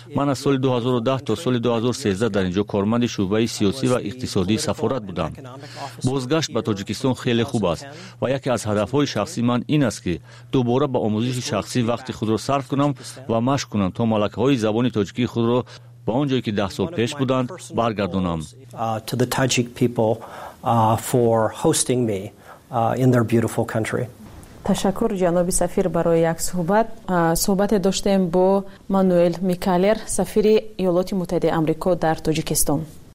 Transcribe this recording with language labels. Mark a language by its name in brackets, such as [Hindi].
[Persian] من از سال 2010 تا سال 2013 در اینجا کارمند شعبه سیاسی و اقتصادی سفارت بودم. بازگشت به تاجیکستان خیلی خوب است و یکی از هدفهای شخصی من این است که دوباره به آموزش شخصی وقت خود را صرف کنم و مشق کنم تا ملکه های زبان تاجیکی خود رو با اونجایی که 10 سال پیش بودند برگردونم. [English] To the Tajik people for hosting me in their beautiful country. [Persian] تشکر جناب سفیر برای یک صحبت. صحبت داشتیم با مانوئل میکالر، سفیر ایالات متحده آمریکا در تاجیکستان.